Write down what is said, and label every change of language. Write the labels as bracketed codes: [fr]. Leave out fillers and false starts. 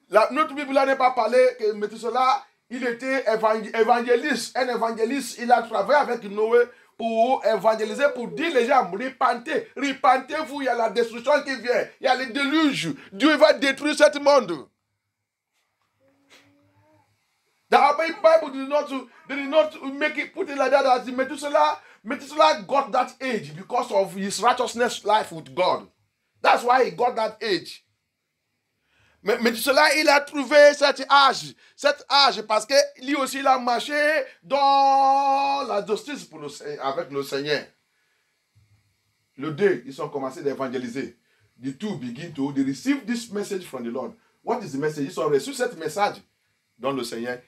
[fr] Notre Bible là n'est pas parlé que Methuselah il était évangéliste, un évangéliste, il a travaillé avec Noé pour évangéliser, pour dire les gens, repentez-vous, il y a la destruction qui vient, il y a le déluge, Dieu va détruire ce monde. [en] The Bible did not make it, put it like that, as Methuselah got that age because of his righteousness life with God. That's why he got that age. [fr] Methuselah, il a trouvé cet âge, parce que lui aussi, il a marché dans la justice pour avec le Seigneur. Le 2, ils ont commencé d'évangéliser. [en] The 2 begin to, they receive this message from the Lord. What is the message? [fr] Ils ont reçu cet message dans le Seigneur.